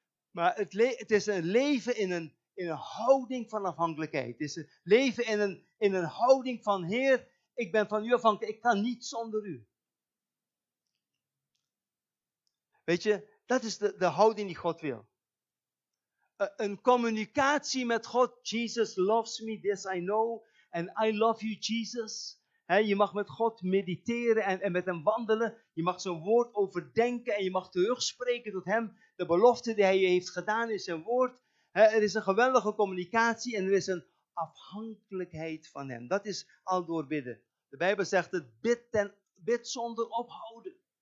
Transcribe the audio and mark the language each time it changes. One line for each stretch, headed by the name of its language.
Dutch: Maar het is een leven in een houding van afhankelijkheid. Het is een leven in een houding van: Heer, ik ben van u afhankelijk, ik kan niet zonder u. Weet je, dat is de houding die God wil. Een communicatie met God.
English: Jesus loves me, this I know. And I love you, Jesus.
Dutch: Je mag met God mediteren en met hem wandelen. Je mag zijn woord overdenken en je mag terugspreken tot hem. De belofte die hij je heeft gedaan in zijn woord. Er is een geweldige communicatie en er is een afhankelijkheid van hem. Dat is al door bidden. De Bijbel zegt het: bid zonder ophouden.